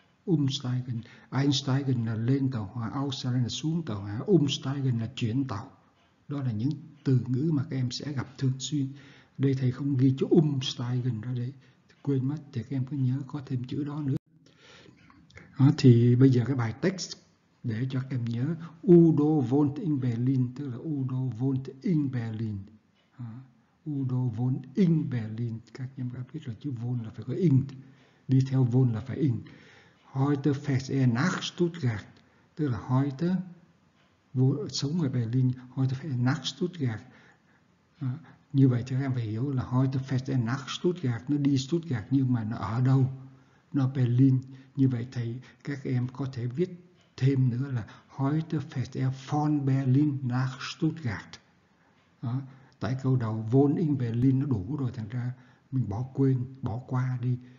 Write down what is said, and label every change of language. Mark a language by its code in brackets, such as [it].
[vi] Umsteigen, einsteigen là lên tàu hỏa, aussteigen là xuống tàu hỏa, umsteigen là chuyển tàu. Đó là những từ ngữ mà các em sẽ gặp thường xuyên. Đây thầy không ghi chữ umsteigen ra đấy, quên mất, thì các em cứ nhớ có thêm chữ đó nữa. Thì bây giờ cái bài text để cho các em nhớ. [de] Udo wohnt in Berlin, [vi] tức là [de] Udo wohnt in Berlin. Udo wohnt in Berlin. [vi] Các em đã biết rồi, chữ wohnt là phải có in. Đi theo wohnt là phải in. [de] Heute fährt er nach Stuttgart, [vi] tức là [de] heute [vi] sống ở [de] Berlin, heute fährt er nach Stuttgart. [vi] Như vậy thì các em phải hiểu là [de] heute fährt er nach Stuttgart, [vi] nó đi Stuttgart nhưng mà nó ở đâu? Nó Berlin. Như vậy thì các em có thể viết thêm nữa là [de] heute fährt er von Berlin nach Stuttgart. [vi] Tại câu đầu [de] wohnt in Berlin [vi] nó đủ rồi, thành ra mình bỏ quên, bỏ qua đi.